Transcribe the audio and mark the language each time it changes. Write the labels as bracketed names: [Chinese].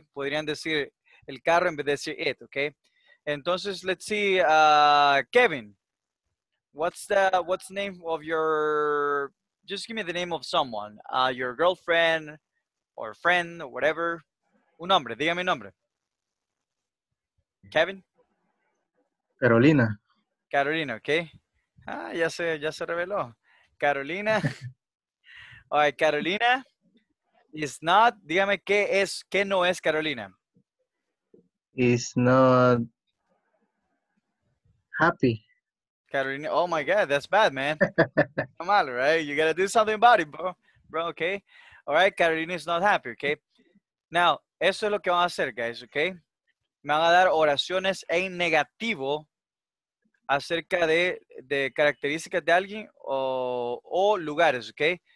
[Spanish] Podrían decir el carro en vez de decir it, okay? [English] Entonces let's see, Kevin, what's the name of your, just give me the name of someone, your girlfriend or friend or whatever. [Spanish] Un nombre, dígame un nombre. Kevin. Carolina. Carolina, okay. Ah, ya se reveló. Carolina. [English] All right, Carolina is not, [Spanish] dígame qué no es Carolina. [English] Is not happy. Carolina, oh my God, that's bad, man. Come on, right? You gotta do something about it, bro, okay? All right, Carolina is not happy, okay? Now, [Spanish] eso es lo que van a hacer, [English] guys, okay? [Spanish] Me van a dar oraciones en negativo acerca de características de alguien o lugares, okay?